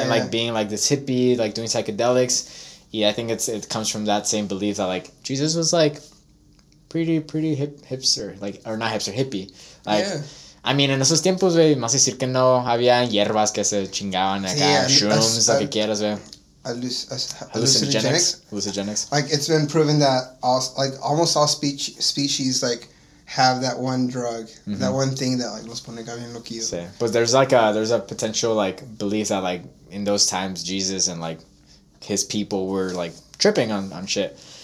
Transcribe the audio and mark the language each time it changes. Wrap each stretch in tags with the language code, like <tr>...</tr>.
<en>and like being like this hippie, like doing psychedelics. Y I think it comes from that same belief that like Jesus was like pretty hipster, like, or not hipster, hippie, like, yeah. I mean,</en> <es>en esos tiempos, wey, más decir que no había hierbas que se chingaban acá, yeah, shrooms, lo que quieras, wey.</es> <en>Hallucinogenics. Like, it's been proven that almost all species like have that one drug, mm-hmm, that one thing that like</en> <es>los pone bien loquillo. Sí.</es> <en>But there's like a potential like belief that like in those times Jesus and like his people were like tripping on shit.</en>